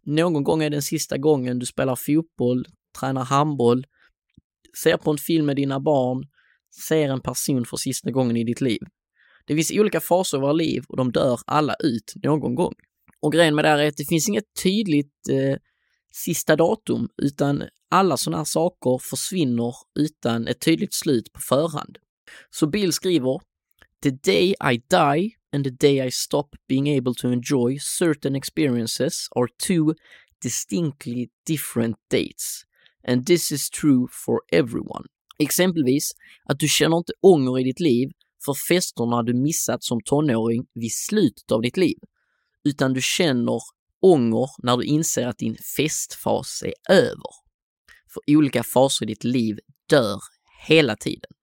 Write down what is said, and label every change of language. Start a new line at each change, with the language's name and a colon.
Swedish: Någon gång är den sista gången du spelar fotboll, tränar handboll, ser på en film med dina barn, ser en person för sista gången i ditt liv. Det finns olika faser i våra liv och de dör alla ut någon gång. Och grejen med det här är att det finns inget tydligt sista datum, utan alla sådana här saker försvinner utan ett tydligt slut på förhand. Så Bill skriver:
English: The day I die and the day I stop being able to enjoy certain experiences are two distinctly different dates. And this is true for everyone.
Swedish: Exempelvis att du känner inte ånger i ditt liv för festerna du missat som tonåring vid slutet av ditt liv, utan du känner ånger när du inser att din festfas är över. För olika faser i ditt liv dör hela tiden.